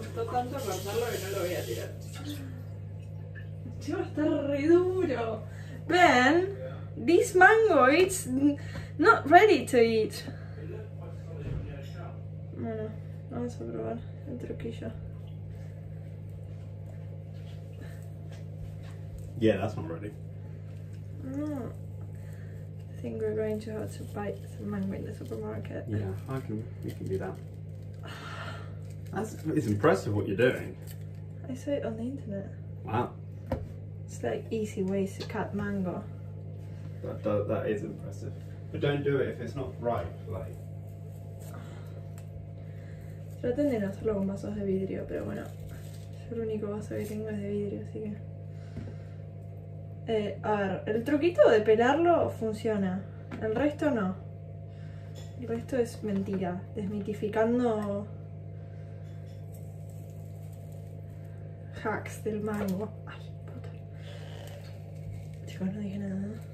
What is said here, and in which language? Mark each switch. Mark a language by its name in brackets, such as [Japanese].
[Spanish] Tanto cortarlo que no lo voy a tirar. Chico, está re duro. [English] Ben, this mango it's not ready to eat. [Spanish] Bueno, vamos a probar el truquillo. [English] Yeah, that's not ready. No, I think we're going to have to buy some mango in the supermarket. Yeah, we can do that. It's impressive what you're doing. I saw it on the internet. Wow. It's like easy ways to cut mango. That is impressive. But don't do it if it's not ripe, like. [Spanish] Traten de no hacerlo con vasos de vidrio, pero bueno. Yo el único vaso que tengo es de vidrio, así que. A ver, el truquito de pelarlo funciona. El resto no. El resto es mentira. Desmitificando hacks del mango. Ay, puta. Chicos, no dije nada.